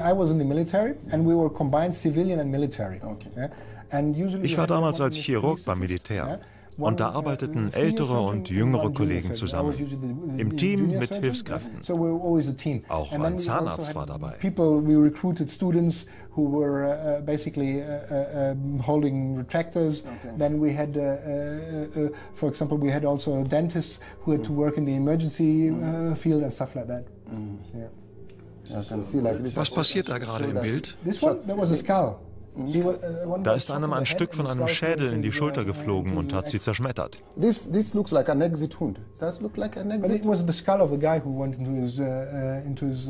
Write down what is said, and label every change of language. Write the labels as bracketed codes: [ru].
[en] I was in the military, and we were combined civilian and military. [de] Ich war damals als Chirurg beim Militär. Und da arbeiteten ältere und jüngere Kollegen zusammen, im Team mit Hilfskräften. Auch ein Zahnarzt war dabei. Wir [en] recruited students who were basically holding retractors. Then we had, for example, we had also dentists who had to work in the emergency field and stuff like that. [de] Was passiert da gerade im Bild? [en] This one, that was a skull. [de] Da ist einem ein Stück von einem Schädel in die Schulter geflogen und hat sie zerschmettert. [en] This looks like an exit wound. Does look like an exit. But it was the skull of a guy who went into his.